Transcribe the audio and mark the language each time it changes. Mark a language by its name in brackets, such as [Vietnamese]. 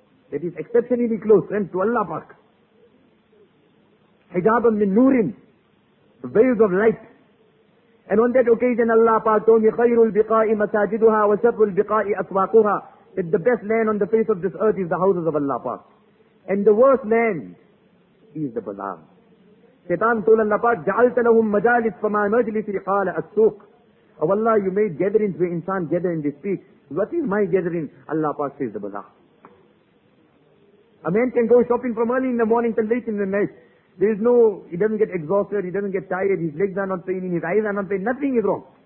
[English] That is exceptionally close, friends, to Allah Pak. [Arabic] Hijabam min nurin, [English] veils of light. And on that occasion Allah Pak told me, [Arabic] khayrul biqai masajiduha wa sharrul biqai aswaquha. [English] That the best land on the face of this earth is the houses of Allah Pak. And the worst land is the bazaar. Shaitan told Allah Pak, [Arabic] جَعَلْتَ لَهُمْ مَجَالِسْ فَمَا مَجْلِسِ قَالَ أَسْوْقِ. [English] Oh Allah, you made gatherings where insan gather and they speak. What is my gathering? Allah Pak says the bazaar. A man can go shopping from early in the morning till late in the night. There is no, he doesn't get exhausted, he doesn't get tired, his legs are not paining, his eyes are not paining, nothing is wrong.